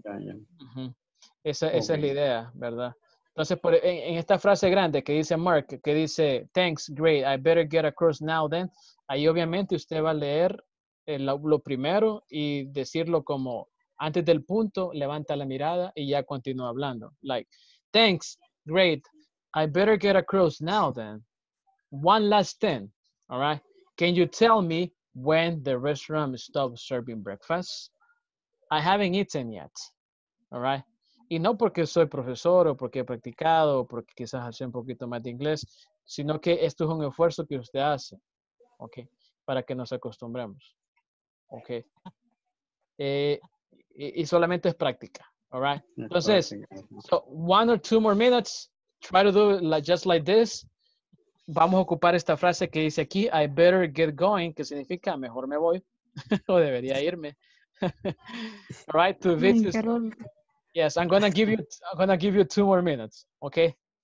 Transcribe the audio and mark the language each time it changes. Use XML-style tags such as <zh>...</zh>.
<es>Uh-huh. Esa es la idea, ¿verdad? Entonces, en esta frase grande que dice Mark, que dice,</es> <en>thanks, great, I better get across now then,</en> <es>ahí obviamente usted va a leer lo primero y decirlo como, antes del punto, levanta la mirada y ya continúa hablando.</es> <en>Like, thanks, great, I better get across now then. One last thing, all right? Can you tell me when the restaurant stops serving breakfast? I haven't eaten yet, all right?</en> <es>Y no porque soy profesor o porque he practicado o porque quizás hace un poquito más de inglés, sino que esto es un esfuerzo que usted hace, ¿ok? Para que nos acostumbremos, ¿ok? Y solamente es práctica,</es> <en>¿all right? Entonces, so one or two more minutes, try to do it like, just like this.</en> <es>Vamos a ocupar esta frase que dice aquí,</es> <en>I better get going,</en> <es>que significa mejor me voy o debería irme.</es> <en>All right, to visit. Yes, I'm gonna give you two more minutes, okay?</en>